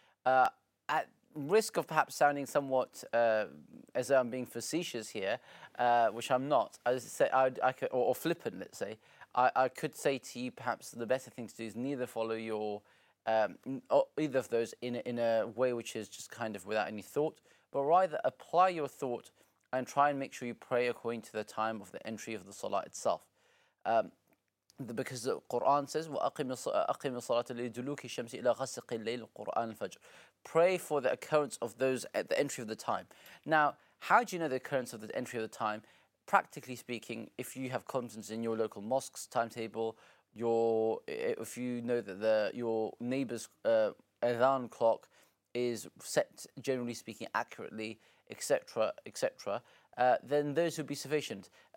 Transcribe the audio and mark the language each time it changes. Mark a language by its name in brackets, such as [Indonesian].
[English] At risk of perhaps sounding somewhat as though I'm being facetious here, which I'm not, I could, or flippant, let's say, I could say to you perhaps the better thing to do is neither follow your, or either of those in a way which is just kind of without any thought, but rather apply your thought and try and make sure you pray according to the time of the entry of the salah itself. Because the Quran says, [Arabic] وَأَقِمِ الصَّلَاةَ لِدُلُوكِ الشَّمْسِ إِلَىٰ غَسِقِ اللَّيْلِ قُرْآنِ الْفَجْرِ. [English] Pray for the occurrence of those at the entry of the time. Now, how do you know the occurrence of the entry of the time? Practically speaking, if you have confidence in your local mosque's timetable, if you know that your neighbor's adhan clock is set, generally speaking, accurately, etc., etc., then those would be sufficient.